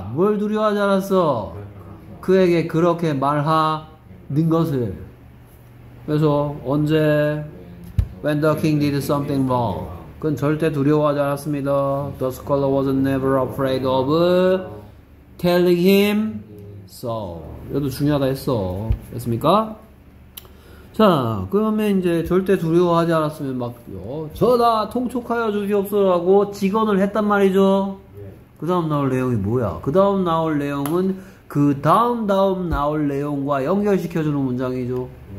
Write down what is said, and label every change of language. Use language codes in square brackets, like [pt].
[ko] 뭘 두려워하지 않았어? 그에게 그렇게 말하는 것을. 그래서 언제? [en] When the king did something wrong. [ko] 그건 절대 두려워하지 않았습니다. [en] The scholar was never afraid of telling him so. [ko] 이것도 중요하다 했어. 됐습니까? 자, 그러면 이제 절대 두려워하지 않았으면 막요. 저다 통촉하여 주시옵소서라고 직언을 했단 말이죠. 그 다음 나올 내용이 뭐야? 그 다음 나올 내용은 그 다음 나올 내용과 연결시켜주는 문장이죠.